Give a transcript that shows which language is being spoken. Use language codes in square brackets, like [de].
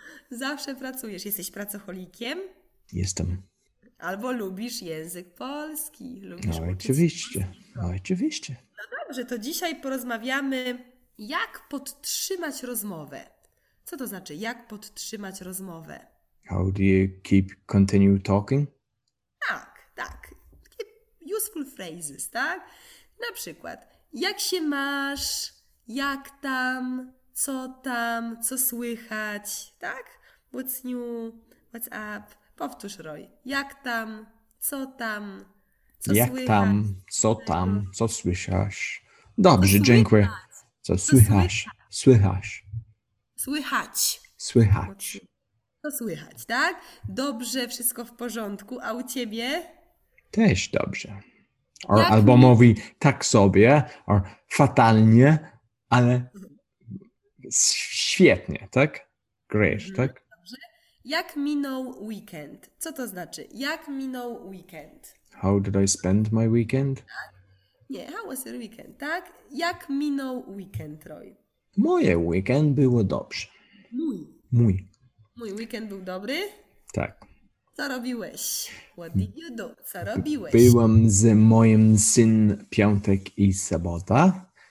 [pl] Zawsze pracujesz. Jesteś pracoholikiem? Jestem. Albo lubisz język polski? Oczywiście. Oczywiście. No dobrze, to dzisiaj porozmawiamy, jak podtrzymać rozmowę. Co to znaczy, jak podtrzymać rozmowę? [en] How do you keep continue talking? [pl] Tak, tak. [en] Useful phrases, [pl] tak? Na przykład, jak się masz, jak tam, co słychać, tak? [en] What's new, what's up? [pl] Powtórz, Roy. Jak tam, co tam, co słychać? Jak tam, co słyszysz? Dobrze, dziękuję. Co słychać? Słychać. Słychać. Słychać. Co słychać, tak? Dobrze, wszystko w porządku, a u ciebie? Też dobrze. [en] Or, [pl] albo mi? Mówi tak sobie, [en] or [pl] fatalnie, ale świetnie, tak? [en] Great, tak? [pl] Dobrze. Jak minął weekend? Co to znaczy? Jak minął weekend? [en] How did I spend my weekend? Nie, how was your weekend, tak? [pl] Jak minął weekend, Roy? Moje weekend było dobrze. Mój. Mój weekend był dobry? Tak. Co robiłeś? [en] What did you do? [pl] Co robiłeś? Byłem z moim synem piątek i sobota.